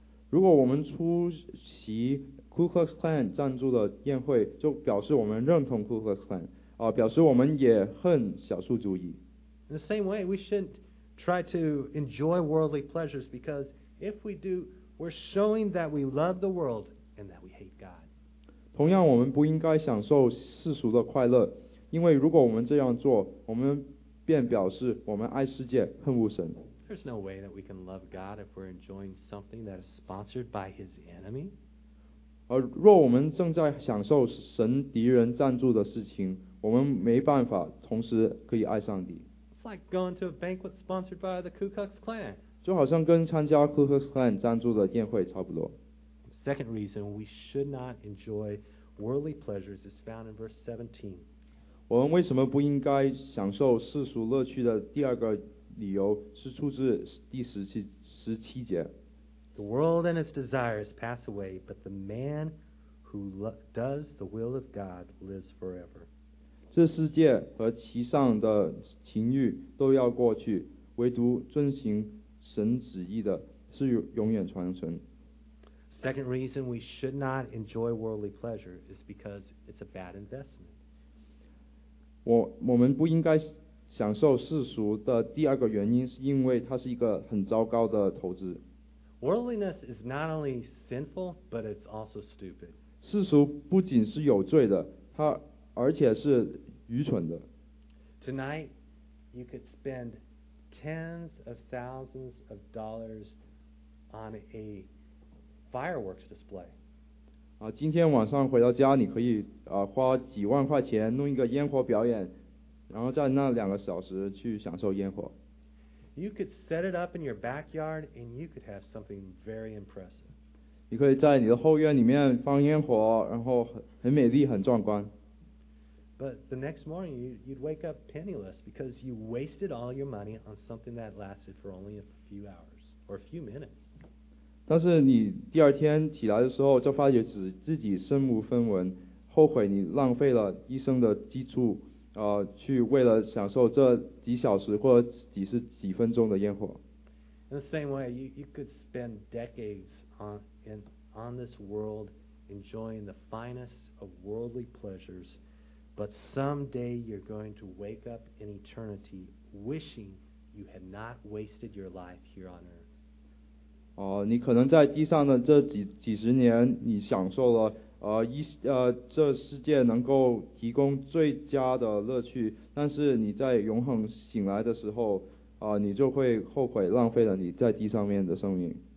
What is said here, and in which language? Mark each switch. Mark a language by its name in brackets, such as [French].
[Chinese] 如果我们出席 Ku Klux Klan 赞助的宴会，就表示我们认同 Ku Klux Klan。表示我们也恨少数主义。 [English] In the same way, we shouldn't try to enjoy worldly pleasures because if we do, we're showing that we love the world and that we hate God. [Chinese] 同样，我们不应该享受世俗的快乐，因为如果我们这样做，我们便表示我们爱世界，恨恶神。 [English] There's no way that we can love God if we're enjoying something that is sponsored by His enemy. [Chinese] 而若我们正在享受神敌人赞助的事情，我们没办法同时可以爱上帝。 [English] It's like going to a banquet sponsored by the Ku Klux Klan. [Chinese] 就好像跟参加 Ku Klux Klan 赞助的宴会差不多。 [English] Second reason we should not enjoy worldly pleasures is found in verse 17. [Chinese] 我们为什么不应该享受世俗乐趣的第二个理由是出自第十七节。 [English] The world and its desires pass away, but the man who does the will of God lives forever. [Chinese] 这世界和其上的情欲都要过去，唯独遵行神旨意的是永远长存。 [English] Second reason we should not enjoy worldly pleasure is because it's a bad investment. [Chinese] 我们不应该享受世俗的第二个原因是因为它是一个很糟糕的投资。 [English] Worldliness is not only sinful, but it's also stupid. [Chinese] 世俗不仅是有罪的，它而且是愚蠢的。 [English] Tonight, you could spend tens of thousands of dollars on a fireworks display. [Chinese] 今天晚上回到家，你可以花几万块钱弄一个烟火表演，然后在那两个小时去享受烟火。 [English] You could set it up in your backyard, and you could have something very impressive. [Chinese] 你可以在你的后院里面放烟火，然后很美丽，很壮观。 [English] But the next morning, you'd wake up penniless because you wasted all your money on something that lasted for only a few hours or a few minutes. [Chinese] 但是你第二天起来的时候，就发觉自己身无分文，后悔你浪费了一生的积蓄，去为了享受这几小时或几十几分钟的烟火。 [English] In the same way, you could spend decades on this world enjoying the finest of worldly pleasures. But someday you're going to wake up in eternity wishing you had not wasted your life here on earth. [Chinese] 你可能在地上的这几十年，你享受了这世界能够提供最佳的乐趣，但是你在永恒醒来的时候，你就会后悔浪费了你在地上面的生命。